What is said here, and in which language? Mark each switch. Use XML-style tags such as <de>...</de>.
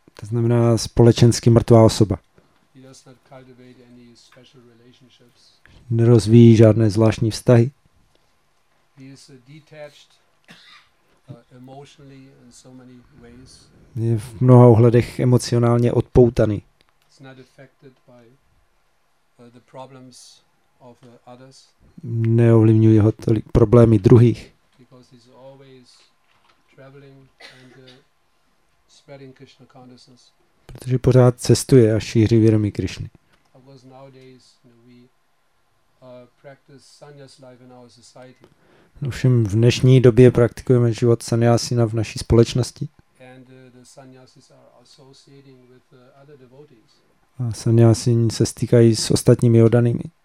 <cs>To znamená společensky mrtvá osoba.</cs> <en>He does not cultivate any special relationships.</en> <cs>Nerozvíjí žádné zvláštní vztahy.</cs> <en>He is detached, emotionally in so many ways.</en> <cs>Je v mnoha ohledech emocionálně odpoutaný.</cs> <en>He's not affected by the problems of others.</en> <cs>Neovlivňuje ho tolik problémy druhých.</cs> <en>Because he's always traveling and spreading Krishna consciousness.</en> <cs>Protože pořád cestuje a šíří vědomí Krišny.</cs> <en>Of course nowadays we practice sannyas life in our society.</en> <cs>Ovšem v dnešní době praktikujeme život sannyasina v naší společnosti.</cs> <en>And the sannyasis are associating with other devotees.</en> <cs>A sannyasin se stýkají s ostatními oddanými.</cs>